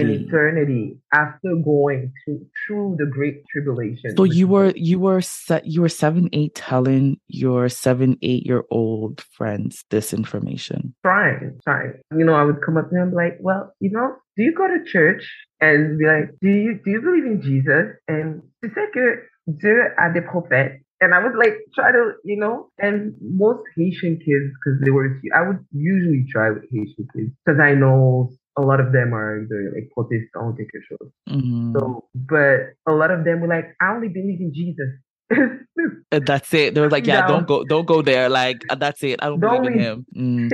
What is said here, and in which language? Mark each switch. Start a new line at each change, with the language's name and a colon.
English: And eternity after going through the great tribulation. So you were 7, 8 telling your 7, 8-year-old friends this information. Trying. You know, I would come up to him like, well, you know, do you go to church? And be like, do you believe in Jesus? And
French: tu sais que Dieu a des prophètes.
English: And I would like try to, you know, and most Haitian kids, because they were, I would usually try with Haitian kids because I know a lot of them are either like Protestant or Christian. So, but a lot of them were like, I only believe in Jesus. And that's it. They were like, yeah, no. don't go there. Like, that's it. I don't believe in him. Mm.